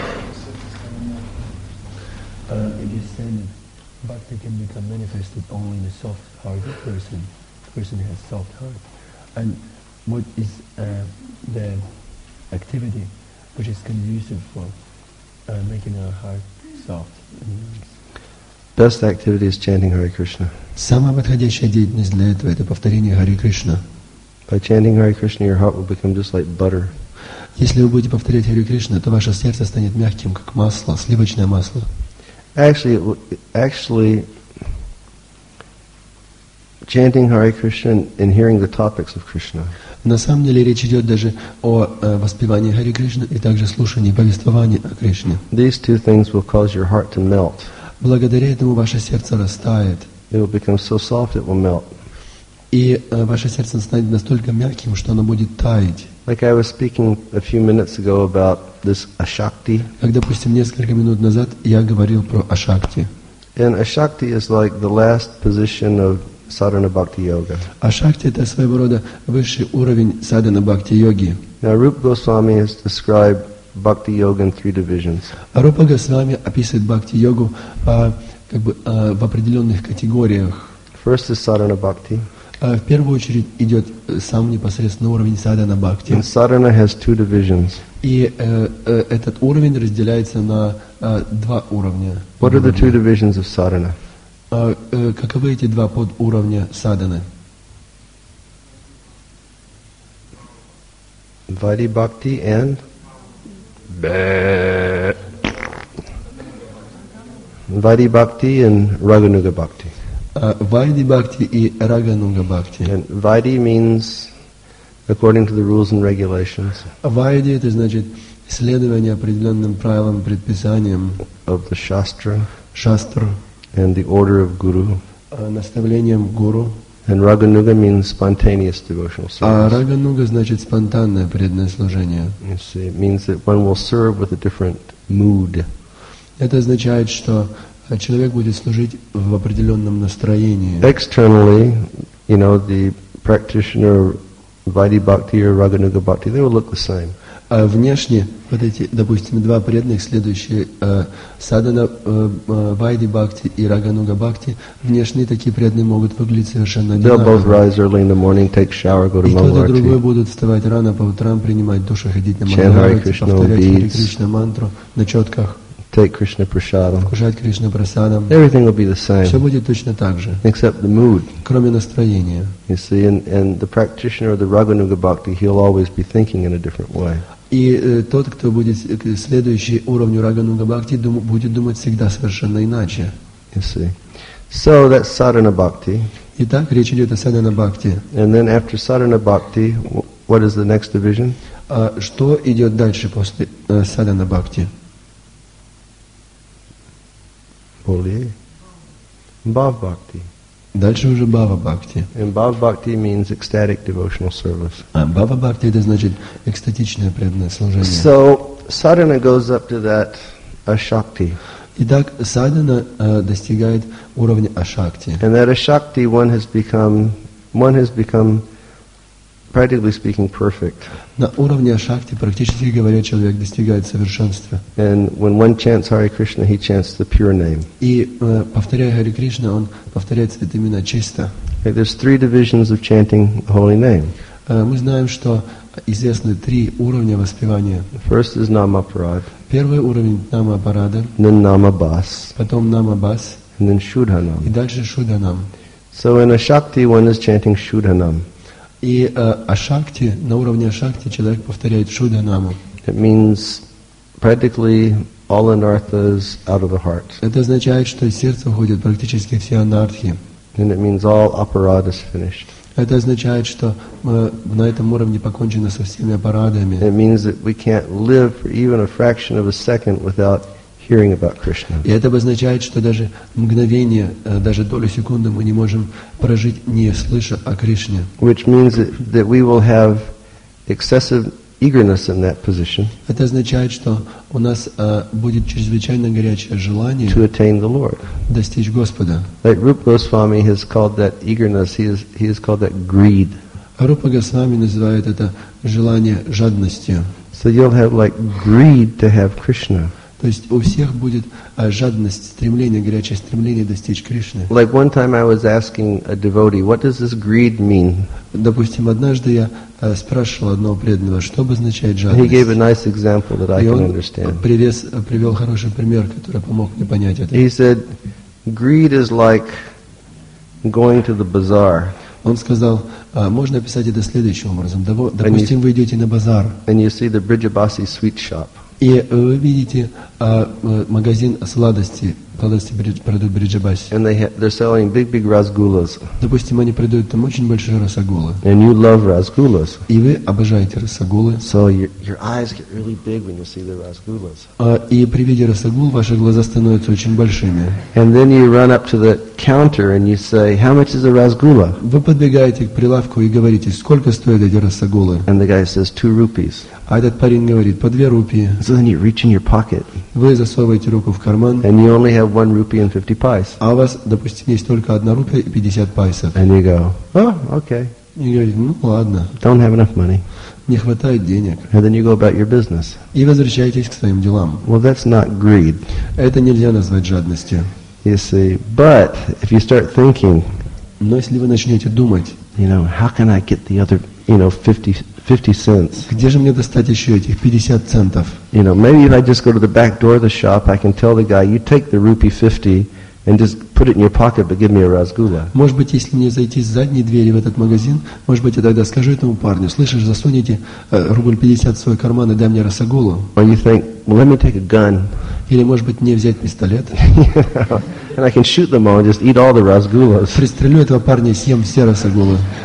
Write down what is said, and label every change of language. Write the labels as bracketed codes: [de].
[en] If you say that bhakti can become manifested only in a soft-hearted person, the person has soft heart, and what is the activity which is conducive for making our heart soft? Best activity is chanting Hare Krishna. [ru] Самая подходящая деятельность для этого — это повторение Hare Krishna. [en] By chanting Hare Krishna, your heart will become just like butter. [ru] Если вы будете повторять Hare Krishna, то ваше сердце станет мягким, как масло, сливочное масло. [en] Actually, chanting Hare Krishna and hearing the topics of Krishna. [ru] На самом деле речь идет даже о воспевании Hare Krishna и также слушании повествования о Кришне. [en] These two things will cause your heart to melt. [ru] Благодаря этому ваше сердце растает. [en] It will become so soft it will melt. [ru] И ваше сердце станет настолько мягким, что оно будет таять. [en] Like I was speaking a few minutes ago about this ashakti. [ru] Как, допустим, несколько минут назад я говорил про ашакти. [en] And ashakti is like the last position of sadhana bhakti yoga. [ru] Ашакти это своего рода высший уровень садхана бхакти йоги. [en] Now Rupa Goswami has described bhakti yoga in three divisions. [ru] Рупа Госвами описывает бхакти йогу в определенных категориях. [en] First is sadhana bhakti. [ru] В первую очередь идет сам непосредственно уровень садхана бхакти. [en] And sadhana has two divisions. [ru] И этот уровень разделяется на два уровня. [en] What are the two divisions of sadhana? [ru] Каковы эти два подуровня садханы? [en] Vaidhi bhakti and Vaidhi bhakti and Raghunuga bhakti. [ru] Vaidhi bhakti и Raghunuga bhakti. [en] And Vaidhi means according to the rules and regulations. [ru] Vaidhi это значит следование определенным правилам и предписаниям. [en] Of the shastra. [ru] Shastra. [en] And the order of guru. [ru] Наставлением гуру. [en] And Raghunuga means spontaneous devotional service. [ru] Raghunuga значит спонтанное преданное служение. [en] You see, it means that one will serve with a different mood. [ru] Это означает, что человек будет служить в определенном настроении. [en] Externally, you know, the practitioner Vaidhi Bhakti or Raghunuga Bhakti, they will look the same. [ru] Внешне, вот эти, допустим, два преданных, следующие, садхана Vaidhi Bhakti и Raghunuga Bhakti, внешние такие преданные могут выглядеть совершенно одинаково. И тот и другой будут вставать рано по утрам, принимать душ, ходить на Махамрадхи, повторять Hare Krishna мантру на четках. [en] Take Krishna prasadam. [ru] Кушать Кришна прасадам. [en] Everything will be the same. [ru] Все будет точно так же. [en] Except the mood. [ru] Кроме настроения. [en] You see, and the practitioner of the Raghunuga bhakti, he'll always be thinking in a different way. [ru] И тот, кто будет следующий уровню Raghunuga bhakti, будет думать всегда совершенно иначе. [en] You see, so that's sadhana bhakti. [ru] Итак, речь идет о садхана бхакти. [en] And then after sadhana bhakti, what is the next division? [ru] А что идет дальше после садхана бхакти? Более. Бхав бхакти. Дальше уже бхава бхакти. [en] And bhava bhakti means ecstatic devotional service. [ru] А бхава бхакти это значит экстатичное преданное служение. [en] So sadhana goes up to that ашакти. [ru] Итак, садхана достигает уровня ашакти. [en] And that ашакти one has become practically speaking, perfect. [ru] На уровне ашакти, практически говоря, человек достигает совершенства. [en] And when one chants Hare Krishna, he chants the pure name. [ru] И повторяя Hare Krishna, он повторяет свои имена чисто. [en] Okay, there's three divisions of chanting the holy name. [ru] Мы знаем, что известны три уровня воспевания. [en] First is Namaparad. [ru] Первый уровень Намапарада. [en] Then Namabhas. [ru] Потом Намабхас. [en] And then Shudhanam. [ru] И дальше Шудханам. [en] So in ашакти, one is chanting Shudhanam. [ru] И ашакти, на уровне ашакти человек повторяет шудханаму. [en] It means practically all anarthas out of the heart. [ru] Это означает, что из сердца уходят практически все анархи. [en] And it means all апарадас finished. [ru] Это означает, что на этом уровне покончено со всеми апарадами. [en] It means that we can't live for even a fraction of a second without hearing about Krishna. [ru] И это означает, что даже мгновение, даже долю секунды мы не можем прожить, не слыша о Кришне. [en] Which means that we will have excessive eagerness in that position. [ru] Это означает, что у нас будет чрезвычайно горячее желание [en] to attain the Lord. [ru] Достичь Господа. [en] Like Rupa Goswami has called that eagerness, he has called that greed. [ru] Рупа Госвами называет это желание жадностью. [en] So you'll have like greed to have Krishna. [ru] То есть у всех будет жадность, стремление, горячее стремление достичь Кришны. [en] Like one time I was asking a devotee, what does this greed mean? [ru] Допустим, однажды я спрашивал одного преданного, что обозначает жадность. [en] He gave a nice example that I can understand. [ru] И он привел хороший пример, который помог мне понять это. [en] He said, greed is like going to the bazaar. [ru] Он сказал, можно описать это следующим образом. Допустим, вы идете на базар. [en] And you see the Brijabasi sweet shop. [ru] И вы видите магазин сладостей, сладости продают Бриджабаси. [en] And they're selling big rasgulas. [ru] Допустим, они продают там очень большие расагулы. [en] And you love rasgulas. [ru] И вы обожаете расагулы. [en] So your eyes get really big when you see the rasgulas. [ru] И при виде расагул ваши глаза становятся очень большими. [en] And then you run up to the counter and you say, how much is a rasgula? [ru] Вы подбегаете к прилавку и говорите, сколько стоят эти расагулы? [en] And the guy says, 2 rupees. [ru] А этот парень говорит, по 2 рупии. [en] So then you reach in your pocket. [ru] Вы засовываете руку в карман. [en] And you only have 1 rupee and 50 paise. [ru] А у вас, допустим, есть только [en] 1 rupee and 50 paisa. And you go, oh, okay. [ru] И говорит, ну ладно. [en] Don't have enough money. [ru] Не хватает денег. [en] And then you go about your business. [ru] И возвращаетесь к своим делам. [en] Well, that's not greed. [ru] Это нельзя назвать жадностью. [en] You see, but if you start thinking, [ru] но если вы начнете думать, [en] you know, how can I get the other, you know, 50 cents. [ru] Где же мне достать еще этих 50 центов? [en] You know, maybe if I just go to the back door of the shop, I can tell the guy, you take the rupee 50 and just put it in your pocket, but give me a rasgula. [ru] Может быть, если мне зайти с задней двери в этот магазин, может быть, я тогда скажу этому парню, слышишь, засунь эти рубль 50 в свой карман и дай мне расагулу. [en] Or you think, well, let me take a gun. [ru] Или, может быть, мне взять пистолет. [en] And I can shoot them all and just eat all the rasgulas. [ru] Пристрелю этого парня и съем все расагулы.